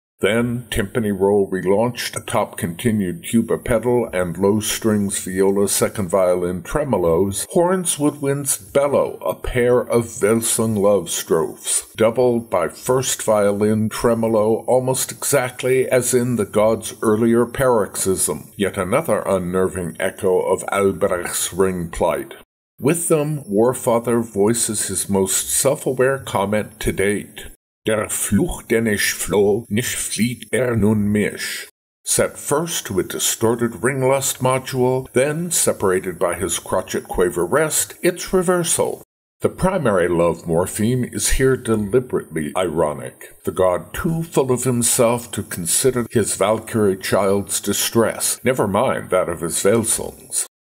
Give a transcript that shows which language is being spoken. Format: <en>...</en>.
<en>Then, timpani roll relaunched atop continued tuba pedal and low strings viola second violin tremolos, horns woodwinds bellow a pair of Welsung love strophes, doubled by first violin tremolo almost exactly as in the god's earlier paroxysm, yet another unnerving echo of Albrecht's ring plight. With them, Warfather voices his most self-aware comment to date.</en> <de>Der Fluch, den ich floh, nicht flieht nun mich.</de> <en>Set first to a distorted ringlust module, then, separated by his crotchet quaver rest, its reversal. The primary love morpheme is here deliberately ironic, the god too full of himself to consider his Valkyrie child's distress, never mind that of his Welsungs.</en>